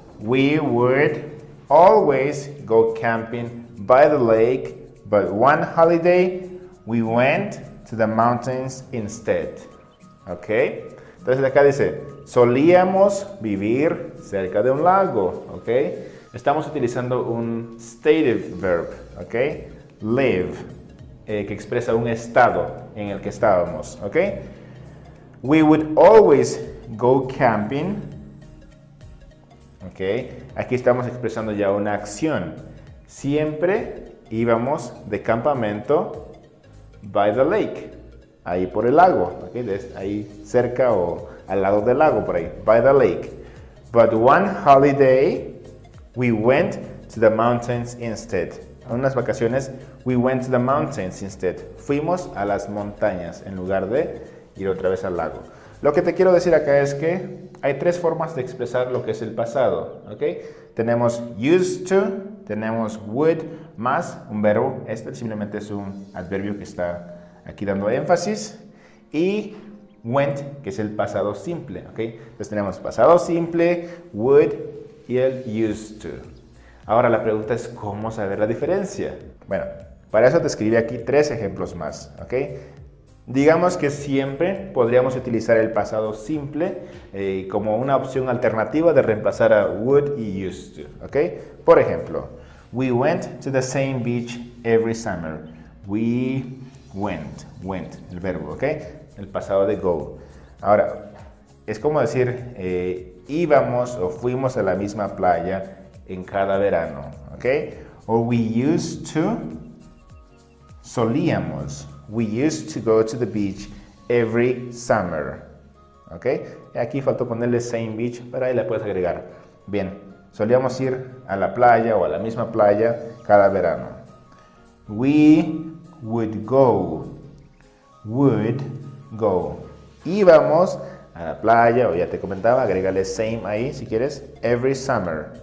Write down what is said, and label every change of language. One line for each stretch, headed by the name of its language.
English: We would always go camping by the lake, but one holiday we went to the mountains instead.
Spanish: Ok, entonces acá dice, solíamos vivir cerca de un lago. Ok, estamos utilizando un stative verb, ok, live, que expresa un estado en el que estábamos.
English: Ok, we would always go camping.
Spanish: Ok, aquí estamos expresando ya una acción. Siempre íbamos de campamento
English: by the lake,
Spanish: ahí por el lago, okay, ahí cerca o al lado del lago, por ahí, by the lake.
English: But one holiday, we went to the mountains instead.
Spanish: En unas vacaciones,
English: we went to the mountains instead.
Spanish: Fuimos a las montañas en lugar de ir otra vez al lago. Lo que te quiero decir acá es que hay tres formas de expresar lo que es el pasado, ¿ok? Tenemos used to, tenemos would, más un verbo. Este simplemente es un adverbio que está aquí dando énfasis. Y went, que es el pasado simple, ¿ok? Entonces tenemos pasado simple, would y el used to. Ahora la pregunta es, ¿cómo saber la diferencia? Bueno, para eso te escribí aquí tres ejemplos más, ¿ok? Digamos que siempre podríamos utilizar el pasado simple como una opción alternativa de reemplazar a would y used to, ¿ok? Por ejemplo,
English: we went to the same beach every summer. We went,
Spanish: el verbo, ¿ok? El pasado de go. Ahora, es como decir, íbamos o fuimos a la misma playa en cada verano, ¿ok?
English: O we used to, solíamos. We used to go to the beach every summer. ¿Ok?
Spanish: Aquí faltó ponerle same beach, pero ahí la puedes agregar. Bien, solíamos ir a la playa o a la misma playa cada verano.
English: We would go. Would go.
Spanish: Íbamos a la playa, o ya te comentaba, agrégale same ahí si quieres,
English: every summer.